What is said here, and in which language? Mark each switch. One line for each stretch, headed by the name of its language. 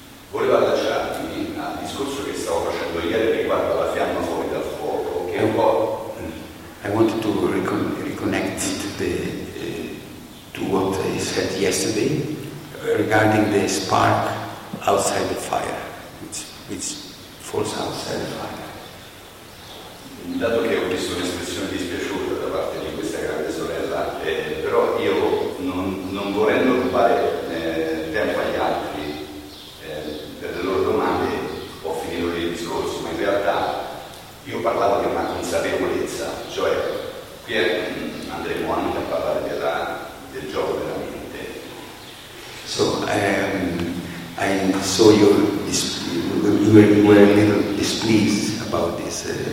Italian: Volevo allacciarmi al discorso che stavo facendo ieri riguardo alla fiamma
English: I wanted to reconnect to the to what I said yesterday regarding the spark outside the fire, which falls outside the fire.
Italian: Dato che ho visto un'espressione dispiaciuta da parte di questa grande sorella, però io non volendo rubare tempo agli altri per le loro domande, ho finito il discorso, ma in realtà io parlavo di una consapevolezza, cioè qui andremo anche a parlare del gioco della mente.
English: So, I saw you were a little displeased about this.